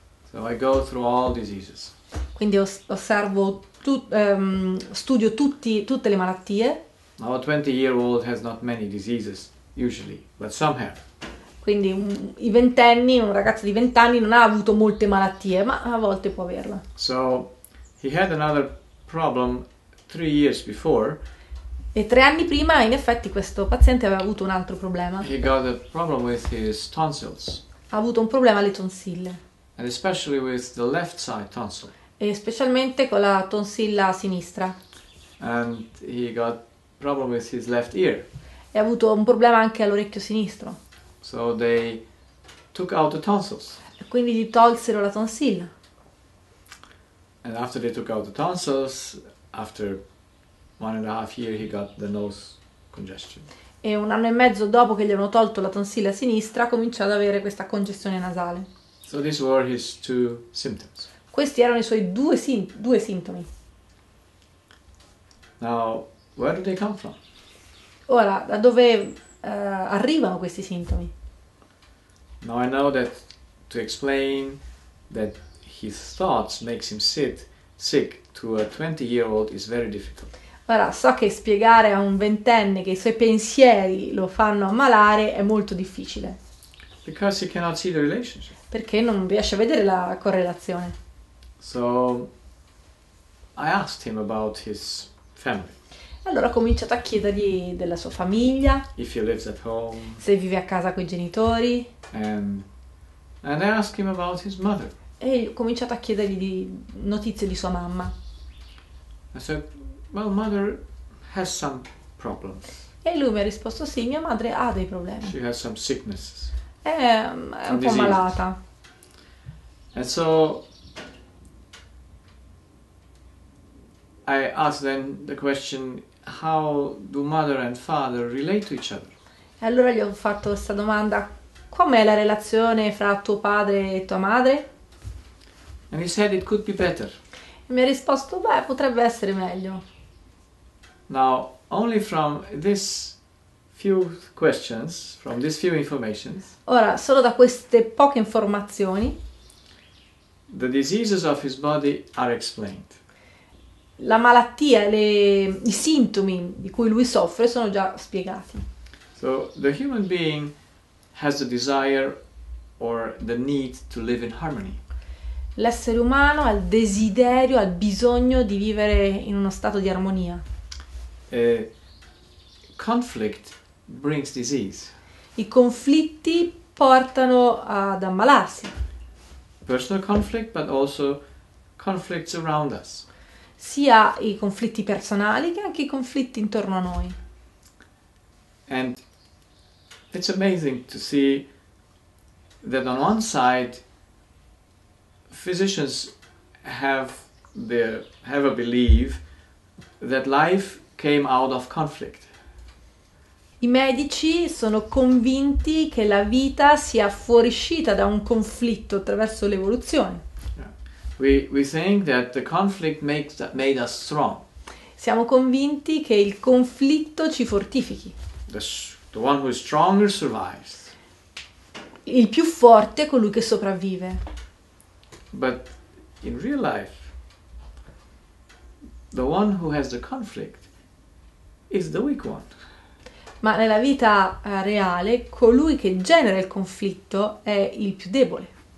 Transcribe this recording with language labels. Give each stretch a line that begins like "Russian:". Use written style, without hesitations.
English: So I go through all diseases.
Italian: Quindi osservo studio tutte le malattie.
English: Now a 20-year-old has not many diseases usually, but some have.
Italian: Quindi i ventenni, un ragazzo di 20 anni non ha avuto molte malattie, ma a volte può averla.
English: So he had another problem 3 years before.
Italian: E 3 anni prima, in effetti, questo paziente aveva avuto un altro problema.
English: He got a problem with his tonsils.
Italian: Ha avuto un problema alle tonsille.
English: And especially with the left side tonsil.
Italian: E specialmente con la tonsilla sinistra.
English: And he got problem with his left ear.
Italian: E ha avuto un problema anche all'orecchio sinistro.
English: So they took out the tonsils.
Italian: E quindi gli tolsero la tonsilla.
English: And after they took out the tonsils, after 1.5 year, he got the nose congestion.
Italian: E un anno e mezzo dopo che gli hanno tolto la tonsilla sinistra, cominciò ad avere questa congestione nasale.
English: So these were his two symptoms.
Italian: Questi erano i suoi due sintomi.
English: Now, where do they come from?
Italian: Ora, da dove arrivano questi sintomi?
English: Now I know that to explain that his thoughts makes him sick to a 20-year-old is very difficult.
Italian: Ora, so che spiegare a un ventenne che i suoi pensieri lo fanno ammalare è molto difficile.
English: Because he cannot see the relationship.
Italian: Perché non riesce a vedere la correlazione.
English: So, I asked him about his family.
Italian: Allora ho cominciato a chiedergli della sua famiglia,
English: if he lives at home,
Italian: se vive a casa con i genitori.
English: And I asked him about his mother.
Italian: E ho cominciato a chiedergli di notizie di sua mamma.
English: I said, well, mother has some problems.
Italian: E lui mi ha risposto, sì, mia madre ha dei problemi.
English: She has some sicknesses.
Italian: È un po'
English: disease.
Italian: Malata.
English: And so I asked then the question, how do mother and father relate to each other?
Italian: E allora gli ho fatto questa domanda, com'è la relazione fra tuo padre e tua madre?
English: And he said it could be better.
Italian: E mi ha risposto, beh, potrebbe essere meglio.
English: Now, only from this few questions, from this few informations.
Italian: Ora, solo da queste poche informazioni.
English: The diseases of his body are explained.
Italian: La malattia, i sintomi di cui lui soffre sono già spiegati.
English: So the human being has the desire or the need to live in harmony.
Italian: L'essere umano ha il desiderio, ha il bisogno di vivere in uno stato di armonia.
English: Conflict brings disease.
Italian: I conflitti portano ad ammalarsi.
English: Personal conflict, but also conflicts around us.
Italian: Sia i conflitti personali che anche i conflitti intorno a noi.
English: And it's amazing to see that on one side physicians have a belief that life came out of conflict.
Italian: I medici sono convinti che la vita sia fuoriuscita da un conflitto attraverso l'evoluzione.
English: We think that the conflict made us strong.
Italian: Siamo convinti che il conflitto ci fortifichi.
English: The one who is stronger survives.
Italian: Il più forte è colui che sopravvive.
English: But in real life, the one who has the conflict is the weak one.
Italian: Ma nella vita reale, colui che genera il conflitto è il più debole.